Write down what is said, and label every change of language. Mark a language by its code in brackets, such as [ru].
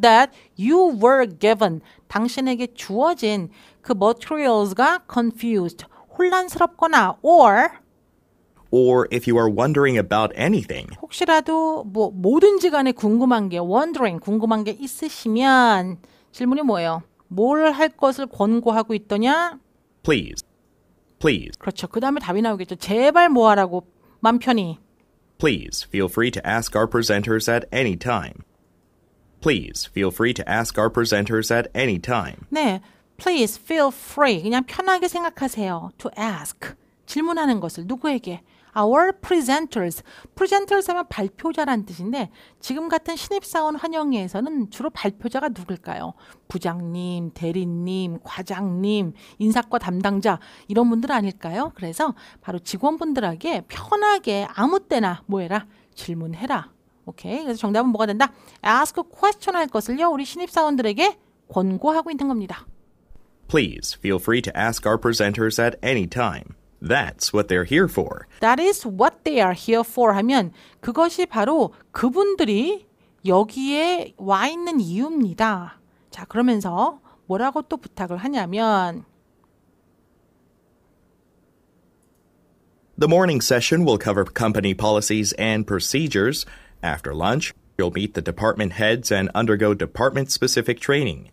[en] That you were given. [ko] 당신에게 주어진 그 [en] materials가 confused, [ko] 혼란스럽거나 [en] Or if you are wondering about anything. [ko] 혹시라도 뭐 뭐든지 간에 궁금한 게, wondering, 궁금한 게 있으시면 질문이 뭐예요? 뭘 할 것을 권고하고 있더냐? [en] Please. [ko] 그렇죠. 그 다음에 답이 나오겠죠. 제발 뭐 하라고, 맘 편히. [en] Please feel free to ask our presenters at any time. Please feel free to ask our presenters at any time. 네, please feel free. [ko] 그냥 편하게 생각하세요. [en] To ask. [ko] 질문하는 것을 누구에게? Our presenters. Presenters 하면 발표자라는 뜻인데 지금 같은 신입사원 환영회에서는 주로 발표자가 누굴까요? 부장님, 대리님, 과장님, 인사과 담당자 이런 분들 아닐까요? 그래서 바로 직원분들에게 편하게 아무 때나 뭐해라? 질문해라. 오케이? 그래서 정답은 뭐가 된다? [en] Ask a question [ko] 할 것을요. 우리 신입사원들에게 권고하고 있는 겁니다. [en] Please feel free to ask our presenters at any time. That's what they're here for. That is what they are here for [ko] 하면 그것이 바로 그분들이 여기에 와 있는 이유입니다. 자, 그러면서 뭐라고 또 부탁을 하냐면 [en] The morning session will cover company policies and procedures. After lunch, you'll meet the department heads and undergo department-specific training.